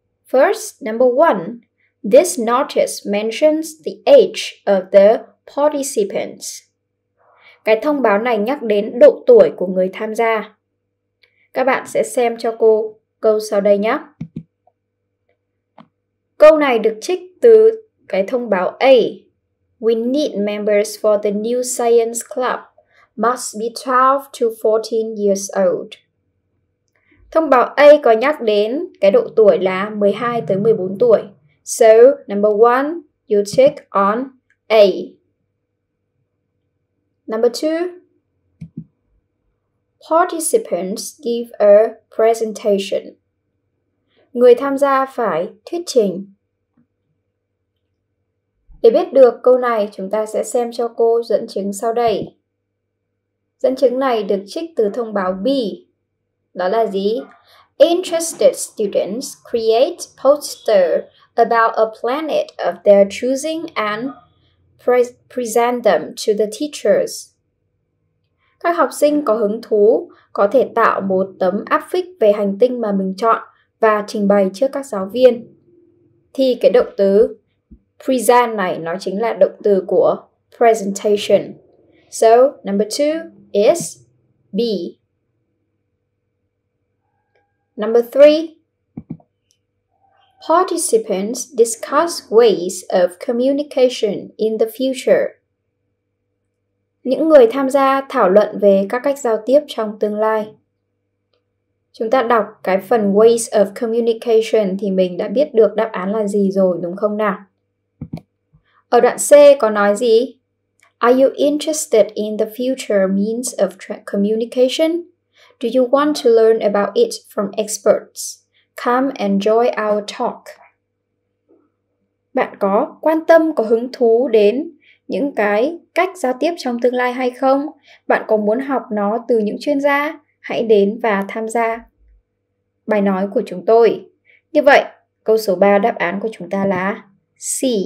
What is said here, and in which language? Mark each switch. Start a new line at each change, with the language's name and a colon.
English: First, number one, this notice mentions the age of the participants.
Vietnamese: Cái thông báo này nhắc đến độ tuổi của người tham gia. Các bạn sẽ xem cho cô câu sau đây nhé. Câu này được trích từ cái thông báo A.
English: We need members for the new science club. Must be 12 to 14 years old.
Vietnamese: Thông báo A có nhắc đến cái độ tuổi là 12 tới 14 tuổi.
English: So, number 1, you check on A. Number 2, participants give a presentation.
Vietnamese: Người tham gia phải thuyết trình. Để biết được câu này, chúng ta sẽ xem cho cô dẫn chứng sau đây. Dẫn chứng này được trích từ thông báo B. Đó là gì?
English: Interested students create poster about a planet of their choosing and present them to the teachers.
Vietnamese: Các học sinh có hứng thú có thể tạo một tấm áp phích về hành tinh mà mình chọn và trình bày trước các giáo viên. Thì cái động từ present này nó chính là động từ của presentation.
English: So, number 2 is B. Number 3, participants discuss ways of communication in the future.
Vietnamese: Những người tham gia thảo luận về các cách giao tiếp trong tương lai. Chúng ta đọc cái phần
English: ways of communication
Vietnamese: thì mình đã biết được đáp án là gì rồi, đúng không nào? Ở đoạn C có nói gì?
English: Are you interested in the future means of communication? Do you want to learn about it from experts? Come and join our talk.
Vietnamese: Bạn có quan tâm, có hứng thú đến những cái cách giao tiếp trong tương lai hay không? Bạn có muốn học nó từ những chuyên gia? Hãy đến và tham gia bài nói của chúng tôi. Như vậy, câu số 3 đáp án của chúng ta là C.